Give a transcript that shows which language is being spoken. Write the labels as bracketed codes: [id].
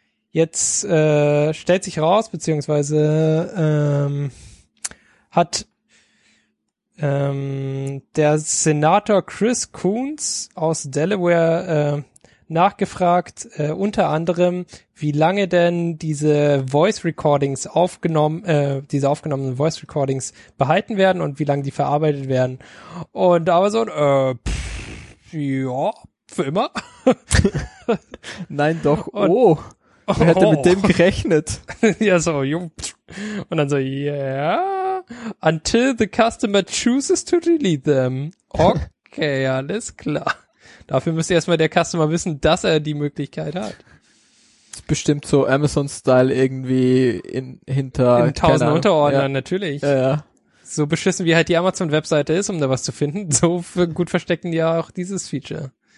[de] Jetzt stellt sich raus, beziehungsweise hat der Senator Chris Coons aus Delaware nachgefragt, unter anderem, wie lange denn diese aufgenommenen Voice Recordings behalten werden und wie lange die verarbeitet werden. Und Amazon, für immer. Nein, doch, wer hätte mit dem gerechnet? Ja, so, und dann so, yeah. [en] Until the customer chooses to delete them. [de] Okay, alles klar. Dafür müsste erstmal der Customer wissen, dass er die Möglichkeit hat. Das ist bestimmt so Amazon-Style irgendwie hinter... In tausend Unterordnern, ja. Natürlich. Ja, ja. So beschissen wie halt die Amazon-Webseite ist, um da was zu finden, so gut verstecken die ja auch dieses Feature.